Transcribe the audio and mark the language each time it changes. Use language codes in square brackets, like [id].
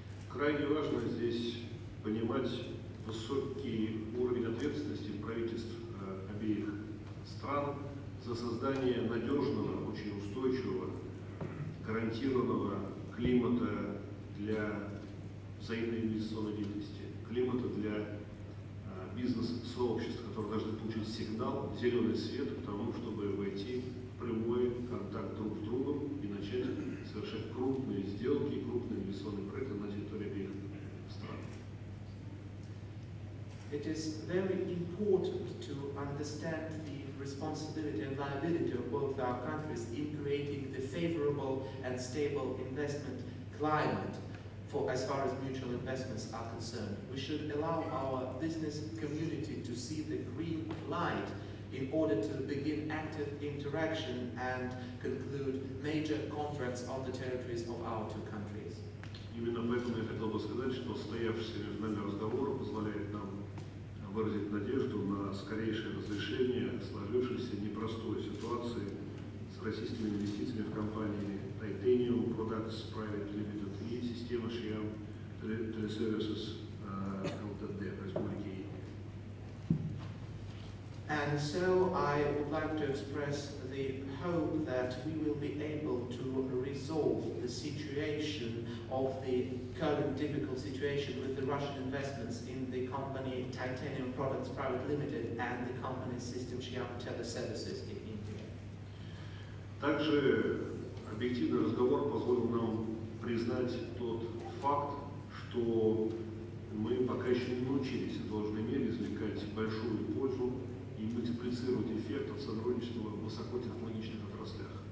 [ru] Крайне важно здесь понимать высокий уровень ответственности правительств обеих стран за создание надежного, очень устойчивого, гарантированного климата для взаимной инвестиционной деятельности, климата для бизнес-сообществ, которые должны получить сигнал, зеленый свет к тому, чтобы войти в прямой контакт друг с другом и начать совершать крупные сделки, крупные инвестиционные проекты на территории обеих стран. [en] It is very important to understand the responsibility and liability of both our countries in creating the favorable and stable investment climate for as far as mutual investments are concerned. We should allow our business community to see the green light in order to begin active interaction and conclude major contracts on the territories of our two countries. [ru] Именно поэтому я хотел бы сказать, что состоявшийся между нами разговор позволяет нам выразить надежду на скорейшее разрешение сложившейся непростой ситуации с российскими инвестициями в компании Titanium Products Private Limited и система Шиам Телесервисес ЛТД в Республике Индия. [en] And so I would like to express the hope that we will be able to resolve the situation of the current difficult situation with the Russian investments in the company Titanium Products Private Limited and the company System Xiang Teleservices in India. [ru] Также объективный разговор позволил нам признать тот факт, что мы пока еще не научились в должной мере извлекать большую пользу и мультиплицировать эффект от сотрудничества в высокотехнологичных отраслях.